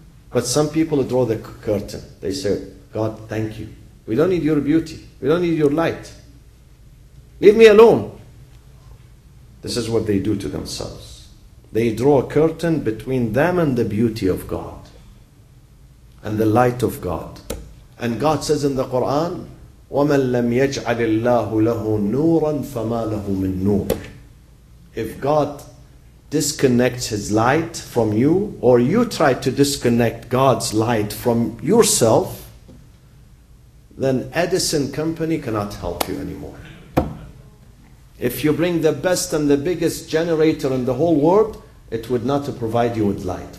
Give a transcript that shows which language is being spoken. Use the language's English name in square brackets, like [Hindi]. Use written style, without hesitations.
[English] But some people draw the curtain. They say, God, thank you. We don't need your beauty. We don't need your light. Leave me alone. This is what they do to themselves. They draw a curtain between them and the beauty of God and the light of God. And God says in the Quran, [Arabic] وَمَنْ لَمْ يَجْعَلِ اللَّهُ لَهُ نُورًا فَمَا لَهُ مِنْ نُورٍ. [English] If God disconnects His light from you, or you try to disconnect God's light from yourself, then Edison Company cannot help you anymore. If you bring the best and the biggest generator in the whole world, it would not provide you with light.